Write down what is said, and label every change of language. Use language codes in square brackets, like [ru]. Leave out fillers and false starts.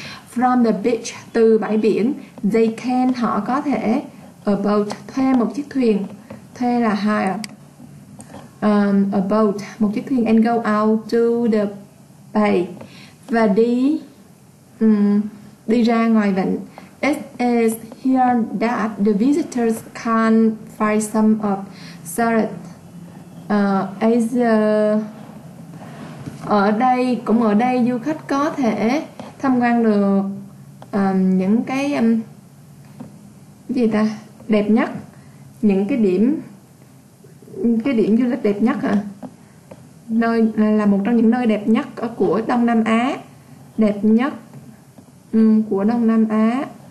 [en] From the beach, [vi] từ bãi biển, [en] they can, [vi] họ có thể [en] a boat, [vi] thuê một chiếc thuyền, thuê là hire, a boat, một chiếc thuyền, [en] and go out to the bay, [vi] và đi ra ngoài vịnh. [en] It is here that the visitors can find some of Sarah Asia. [vi] Ở đây du khách có thể tham quan được những cái gì ta, đẹp nhất, những cái điểm du lịch đẹp nhất hả? Nơi là một trong những nơi đẹp nhất của Đông Nam Á, đẹp nhất của Đông Nam Á.